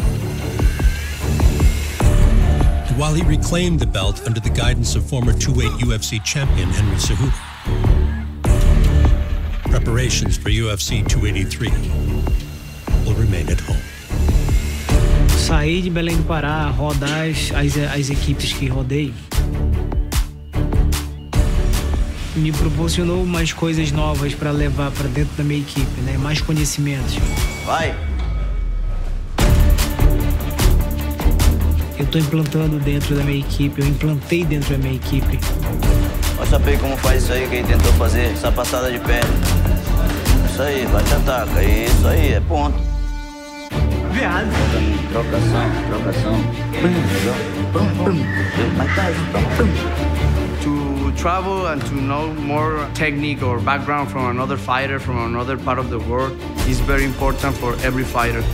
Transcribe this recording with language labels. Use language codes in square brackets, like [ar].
[en] And while he reclaimed the belt under the guidance of former 2-weight UFC champion Henry Cejudo, preparations for UFC 283 will remain at home. [pt] Saí de Belém do Pará, rodar as equipes que rodei. Me proporcionou mais coisas novas para levar para dentro da minha equipe, né? Mais conhecimentos. Vai! estou implantando dentro da minha equipe. Eu implantei dentro da minha equipe. Vai saber como faz isso aí que ele tentou fazer, essa passada de pé. Isso aí, bate ataca. Isso aí, é ponto. [en] To travel and to know more technique or background from another fighter from another part of the world is very important for every fighter.